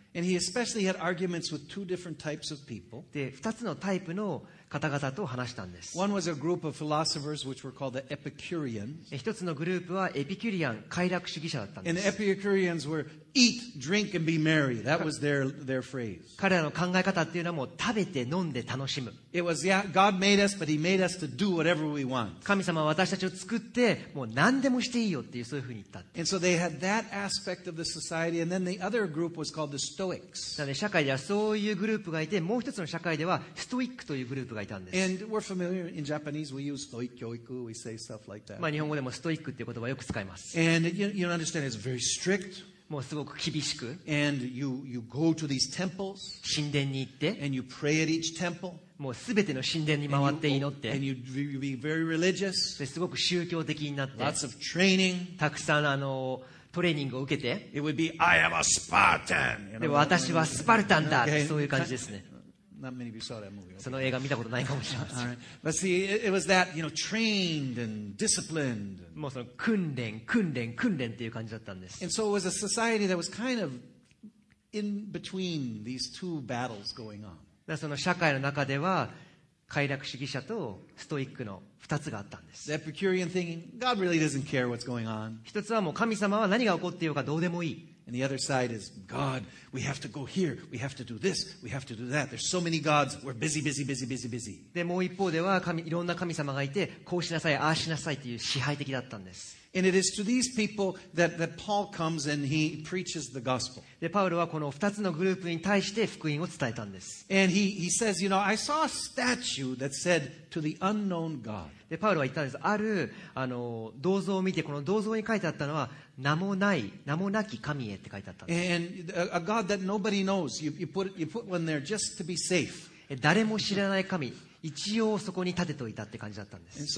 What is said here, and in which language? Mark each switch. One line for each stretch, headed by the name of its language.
English: And he especially had arguments with two different types of people.
Japanese: で、二つのタイプの方々と話したんです。
English: One was a group of philosophers which were called the Epicureans.
Japanese: 一つのグループはエピキュリアン、快楽主義者だったんです。
English: And the Epicureans were eat, drink, and be merry. That was their phrase.
Japanese: 彼らの考え方っていうのはもう食べて飲んで楽しむ。
English: It was, yeah, God made us, but he made us to do whatever we want.
Japanese: 神様は私たちを作って、もう何でもしていいよっていうそういうふうに言ったって。
English: And so they had that aspect of the society, and then the other group was called the Stoics.
Japanese: なので社会ではそういうグループがいて、もう一つの社会ではストイックというグループ。
English: And we're familiar in Japanese. We use stoic 教育 We say stuff like that.
Japanese: まあ日本語でもストイックっていう言葉はよく使います。
English: And you understand it's very strict.
Japanese: もうすごく厳しく。
English: And you go to these temples.
Japanese: 神殿に行って。
English: And you pray at each temple.
Japanese: もうすべての神殿に回って祈って、
English: and you be very religious.
Japanese: ですごく宗教的になって、
English: lots of training.
Japanese: たくさんトレーニングを受けて、
English: it would be I am a Spartan.
Japanese: でも私はスパルタンだ、そういう感じですね。
English: Not many of you saw that movie. Okay.
Japanese: その映画見たことないかもしれません。
English: But see, it was that, you know, trained and disciplined.
Japanese: もうその訓練、訓練、訓練っていう感じだったんです。
English: And so it was a society that was kind of in between these two battles going on.
Japanese: だからその社会の中では、快楽主義者とストイックの二つがあったんです。
English: The Epicurean thinking, God really doesn't care what's going on.
Japanese: 一つはもう神様は何が起こっているかどうでもいい。
English: And the other side is God. We have to go here. We have to do this. We have to do that. There's so many gods. We're busy, busy, busy, busy, busy.
Japanese: でもう一方では神いろんな神様がいてこうしなさいああしなさいという支配的だったんです。
English: And it is to these people that Paul comes and he preaches the gospel.
Japanese: でパウロはこの二つのグループに対して福音を伝えたんです。
English: And he says, you know, I saw a statue that said to the unknown God.
Japanese: でパウロは言ったんです。ある銅像を見てこの銅像に書いてあったのは名もない名もなき神へって書いてあったんです。
English: And a God that nobody knows. You put one there just to be safe.
Japanese: 誰も知らない神。一応そこに立てといたって感じだったんです。